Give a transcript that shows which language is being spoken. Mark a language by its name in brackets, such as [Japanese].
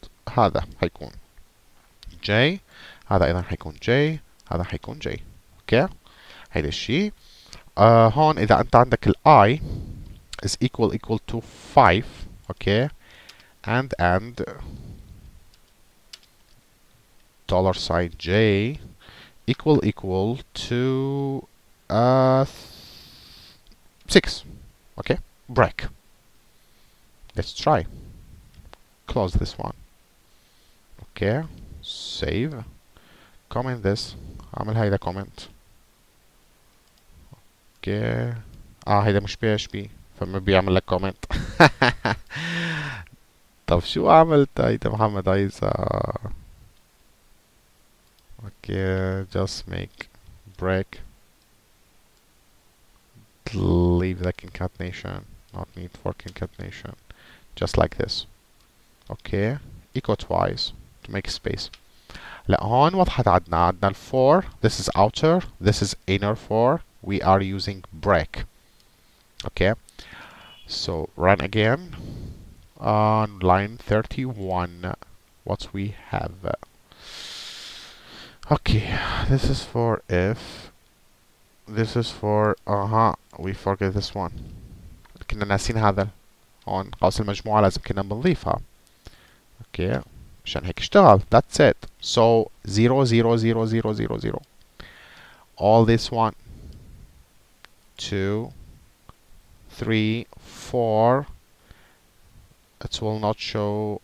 [Arabic] هذا حيكون J, هذا أيضا حيكون J, هذا حيكون J. Okay, هيدا الشيء. هون إذا أنت عندك ال [English] I is equal to 5. Okay, and dollar sign J equal to 6. Okay, break. Let's try. Close this one. Okay, save. Comment this. [Arabic] عمل هيدا comment. Okay. هيدا مش PHP. فما بيعمل لك comment. طب شو عملت هيدا محمد عيسى؟ [English] Okay, just make break. Leave the concatenation. Not need for concatenation. Just like this. Okay. Echo twice to make space. [Arabic] لهون وضحت عدنا. عدنا الفور. [English] This is outer. This is inner four. We are using break. Okay. So run again. On line 31. What we have. Okay. This is for if. This is for. We forget this one. [Arabic] كنا ناسين هذا. هون قوس المجموعة لازم كنا بنضيفها. اوكي عشان هيك اشتغل. [English] That's it. So 0 0 0 0 0 0 all this one 2 3 4, it will not show.